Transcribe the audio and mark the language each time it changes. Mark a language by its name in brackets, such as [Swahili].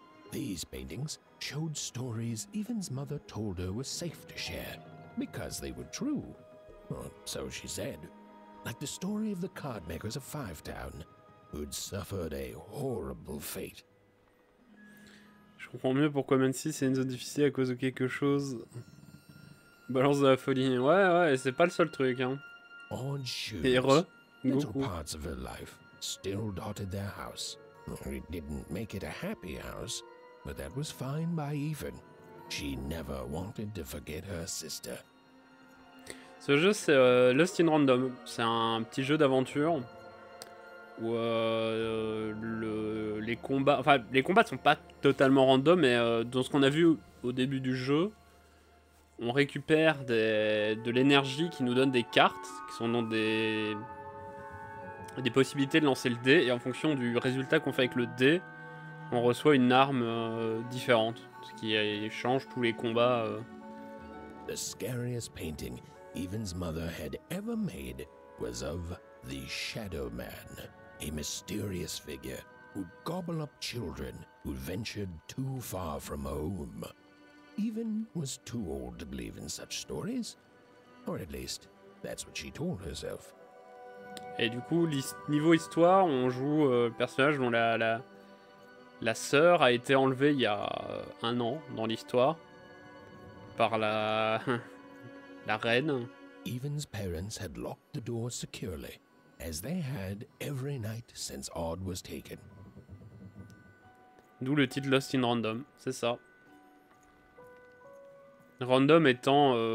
[English] These paintings showed stories Even's mother told her were safe to share, because they were true. Well, so she said. Like the story of the card makers of Five Town, who'd suffered a horrible fate. [French] Je comprends mieux pourquoi même si c'est une zone difficile à cause de quelque chose. Balance de la folie. Ouais, ouais, c'est pas le seul truc, hein. [English] Odd shoes. [French] Heureux. [English] Little parts of her life still dotted their house. It didn't make it a happy house, but that was fine by Even. She never wanted to forget her sister. [French] Ce jeu, c'est Lost in Random. C'est un petit jeu d'aventure où les combats... Enfin, les combats ne sont pas totalement random, mais dans ce qu'on a vu au début du jeu, on récupère de l'énergie qui nous donne des cartes, qui sont dans des possibilités de lancer le dé, et en fonction du résultat qu'on fait avec le dé, on reçoit une arme différente, ce qui change tous les combats. [English] The scariest painting Even's mother had ever made was of the Shadow Man, a mysterious figure who'd gobble up children who ventured too far from home. Even was too old to believe in such stories, or at least that's what she told herself. [French] Et du coup, niveau histoire, on joue le personnage dont la sœur a été enlevée il y a un an dans l'histoire par la la reine. [English] Even's parents had locked the door securely, as they had every night since Odd was taken. [French] D'où le titre Lost in Random, c'est ça. Random étant...